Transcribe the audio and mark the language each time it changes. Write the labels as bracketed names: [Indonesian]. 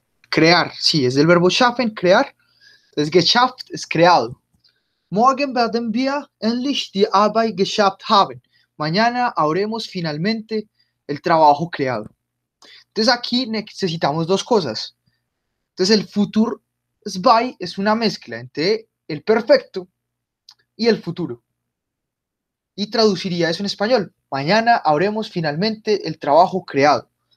[Spanish] Crear, sí, es del verbo schaffen, crear. Entonces, geschafft es creado. [German] Morgen werden wir endlich die Arbeit geschafft haben. [Spanish] Mañana habremos finalmente el trabajo creado. Entonces, aquí necesitamos dos cosas. Entonces, el futur Zwei es una mezcla entre el perfecto y el futuro. Y traduciría eso en español. Mañana habremos finalmente el trabajo creado.